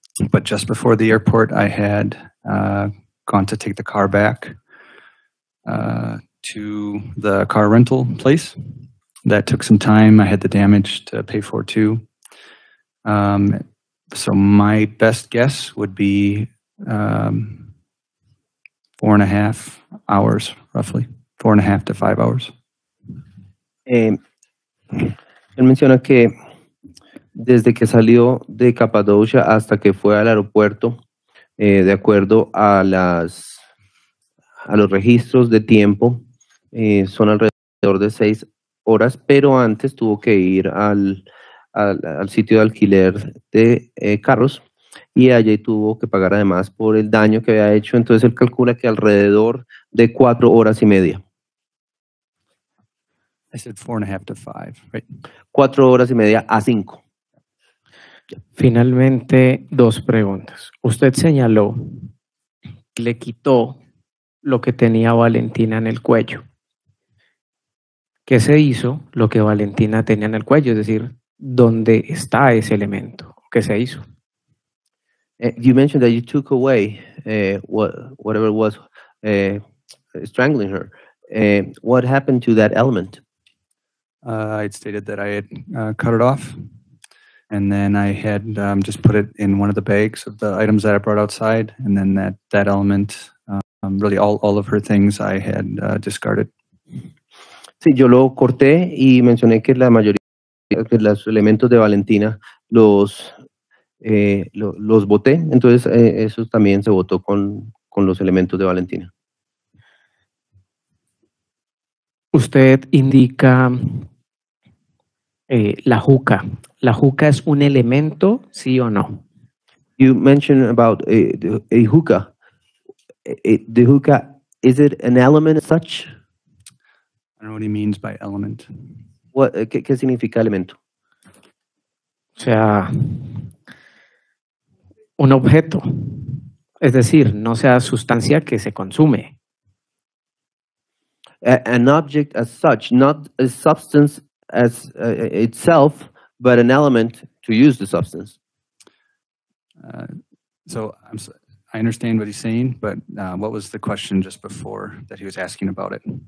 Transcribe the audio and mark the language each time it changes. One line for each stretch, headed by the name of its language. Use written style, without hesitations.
English: But just before the airport, I had gone to take the car back to the car rental place. That took some time. I had the damage to pay for too. So my best guess would be 4.5 hours, roughly. 4.5 to 5 hours.
Spanish: Él menciona que desde que salió de Capadocia hasta que fue al aeropuerto, de acuerdo a los registros de tiempo, son alrededor de 6 horas, pero antes tuvo que ir al sitio de alquiler de carros y allí tuvo que pagar además por el daño que había hecho. Entonces él calcula que alrededor de 4 horas y media.
English: I said 4.5 to 5, right?
Spanish: 4 horas y media a 5. Finalmente, dos preguntas. Usted señaló que le quitó lo que tenía Valentina en el cuello. ¿Qué se hizo lo que Valentina tenía en el cuello? Es decir, ¿dónde está ese elemento? ¿Qué se hizo?
English: You mentioned that you took away whatever was strangling her. What happened to that element? I stated that I had cut it off. And then I had just put it in one of the bags of the items that I brought outside. And then that element, really all of her things I had discarded.
Spanish: Sí, yo lo corté y mencioné que la mayoría de los elementos de Valentina los boté. Entonces eso también se botó con los elementos de Valentina. Usted indica la juca. ¿La juca es un elemento, sí o no?
English: You mentioned about a hookah. The hookah Is it an element as such? I don't know what he means by element.
Spanish: ¿Qué significa elemento? O sea, un objeto. Es decir, no sea sustancia que se consume.
English: An object as such, not a substance as itself, but an element to use the substance. I understand what he's saying, but what was the question just before that he was asking about it?